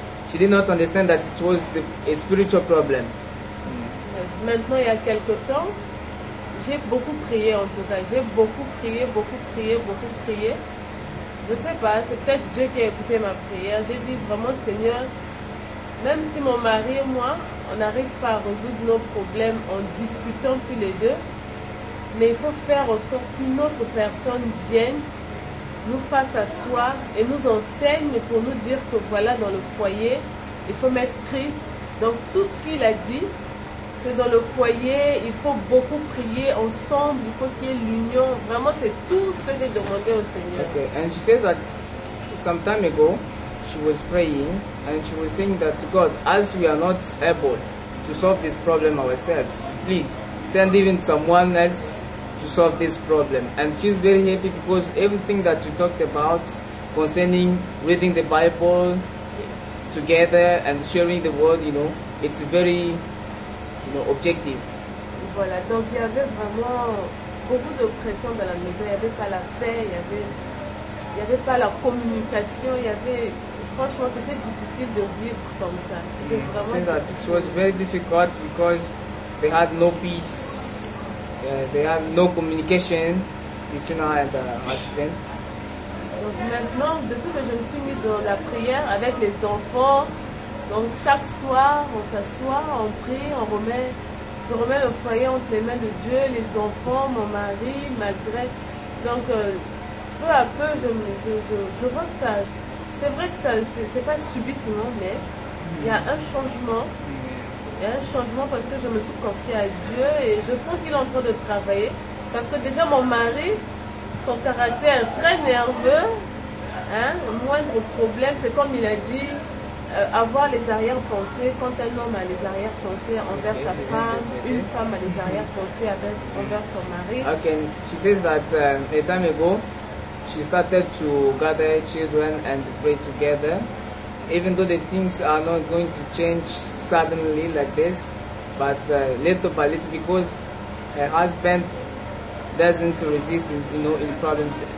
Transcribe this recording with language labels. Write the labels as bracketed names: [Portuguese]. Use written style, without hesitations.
[English] She did not understand that it was a spiritual problem. Yes. [French] Maintenant, il y a quelque temps, j'ai beaucoup prié en tout cas. J'ai beaucoup prié, beaucoup prié, beaucoup prié. Je ne sais pas, c'est peut-être Dieu qui a écouté ma prière. J'ai dit vraiment, Seigneur, même si mon mari et moi, on n'arrive pas à résoudre nos problèmes en discutant tous les deux, mais il faut faire en sorte qu'une autre personne vienne nous fasse asseoir et nous enseigne pour nous dire que voilà, dans le foyer, il faut mettre Christ. Donc tout ce qu'il a dit, que dans le foyer, il faut beaucoup prier ensemble, il faut qu'il y ait l'union. Vraiment, c'est tout ce que j'ai demandé au Seigneur. [English] Okay. And she says that some time ago, she was praying and she was saying that God, as we are not able to solve this problem ourselves, please send even someone else to solve this problem. And she's very happy because everything that you talked about concerning reading the Bible together and sharing the word, you know, it's very, you know, objective. [French] Voilà, donc il y avait vraiment beaucoup de pression dans la maison. Il y avait pas la paix, il y avait pas la communication, il y avait, franchement, c'était difficile de vivre comme ça. [English] It was very difficult because they had no peace. They have no communication between her and her husband. [French] Donc maintenant, depuis que je me suis mise dans la prière avec les enfants, donc chaque soir, on s'assoit, on prie, je remets le foyer entre les mains de Dieu, les enfants, mon mari, malgré. Donc peu à peu, je vois que ça. C'est vrai que ça, c'est pas subitement, mais il y a un changement. Il y a un changement parce que je me suis confiée à Dieu et je sens qu'il est en train de travailler. Parce que déjà mon mari, son caractère très nerveux, hein, moindre problème, c'est comme il a dit, avoir les arrière-pensées, quand un homme a les arrière-pensées envers sa femme, une femme a les arrière-pensées envers son mari. [English] Ok, she says that a time ago, she started to gather children and pray together. Even though the things are not going to change suddenly like this, but little by little, because her husband doesn't resist, you know, in problems.